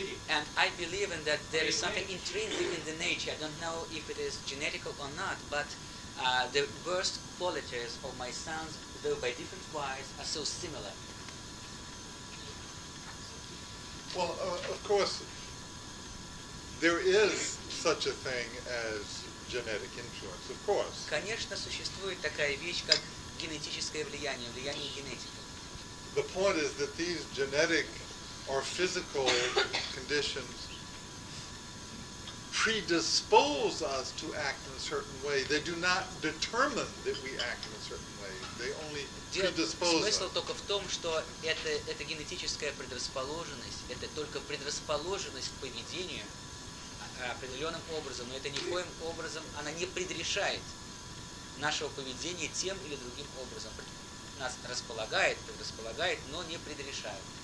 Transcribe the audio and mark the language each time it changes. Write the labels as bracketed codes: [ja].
[en] And I believe in that there is something intrinsic in the nature. I don't know if it is genetical or not, but the worst qualities of my sons, though by different wives, are so similar. Well, of course, there is such a thing as genetic influence, of course. [ru] Конечно, существует такая вещь, как генетическое влияние, влияние генетики. [en] The point is that these genetic or physical conditions predispose us to act in a certain way. They do not determine that we act in a certain way. They only predispose [ru] us. Смысл только в том, что это генетическая предрасположенность, это только предрасположенность к поведению определенным образом, но это никоим образом, она не предрешает нашего поведения тем или другим образом. Нас располагает, предрасполагает, но не предрешает.